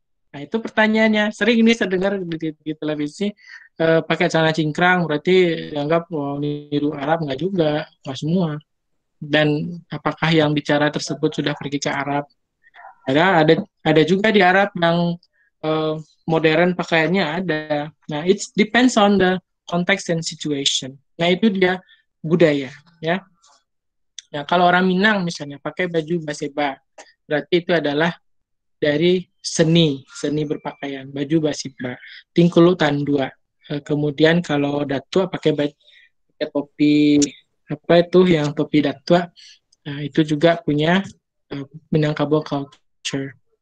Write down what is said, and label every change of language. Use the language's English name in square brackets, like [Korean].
[Indonesian] Nah, itu pertanyaannya. Sering ini saya dengar di televisi, pakai celana cingkrang, berarti dianggap niru Arab, enggak juga, enggak semua. Dan apakah yang bicara tersebut sudah pergi ke Arab? Ada juga di Arab yang modern pakaiannya ada. [English] Nah, it depends on the context and situation. [Indonesian] Nah, itu dia budaya, ya. Nah, kalau orang Minang misalnya pakai baju baseba, berarti itu adalah dari seni berpakaian, baju baseba, tingkulu tandua. Kemudian kalau datua pakai topi, apa itu yang topi datua, nah, itu juga punya Minangkabau culture.